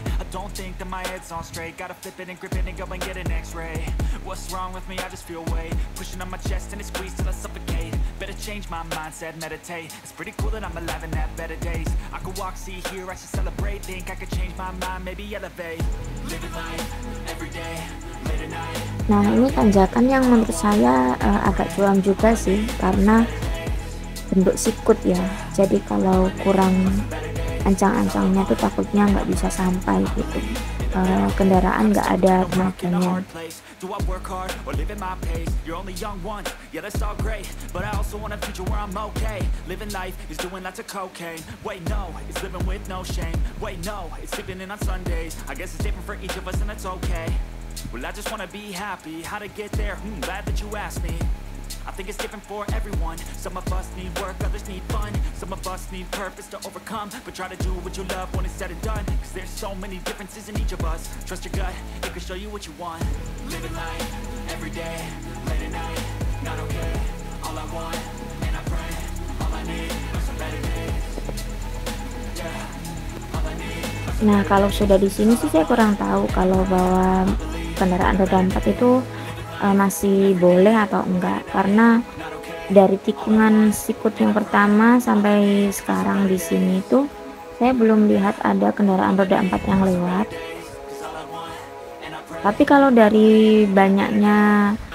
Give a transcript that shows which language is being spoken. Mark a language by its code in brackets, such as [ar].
[en] Don't think that my head's on straight. Gotta flip it and grip it and go and get an x-ray. What's wrong with me? I just feel weight pushing on my chest and it squeezes till I suffocate. Better change my mindset, meditate. It's pretty cool that I'm alive and have better days. I could walk, see, hear, I should celebrate. Think I could change my mind, maybe elevate. Living life, every day, late at night. [id] Nah, ini tanjakan yang menurut saya agak curam juga sih, karena bentuk sikut ya. Jadi kalau kurang ancang-ancangnya tuh takutnya nggak bisa sampai gitu. Kendaraan nggak ada tenaganya. [en] Do I work hard or live at my pace? You're only young one, yeah, that's all great. But I also want a future where I'm okay. Living life is doing lots of cocaine. Wait, no, it's living with no shame. Wait, no, it's sleeping in on Sundays. I guess it's different for each of us and it's okay. Well, I just want to be happy. How to get there? Glad that you asked me. I think it's different for everyone. Some of us need work, others need fun. Some of us need purpose to overcome. But try to do what you love when it's said and done. Cause there's so many differences in each of us. Trust your gut, it can show you what you want. Living life, every day, late at night, not okay. All I want, and I pray, all I need are some better days. Yeah, all I need. [id] Nah, kalau sudah di sini sih saya kurang tahu kalau bahwa kendaraan roda empat itu masih boleh atau enggak, karena dari tikungan sikut yang pertama sampai sekarang di sini itu saya belum lihat ada kendaraan roda 4 yang lewat. Tapi kalau dari banyaknya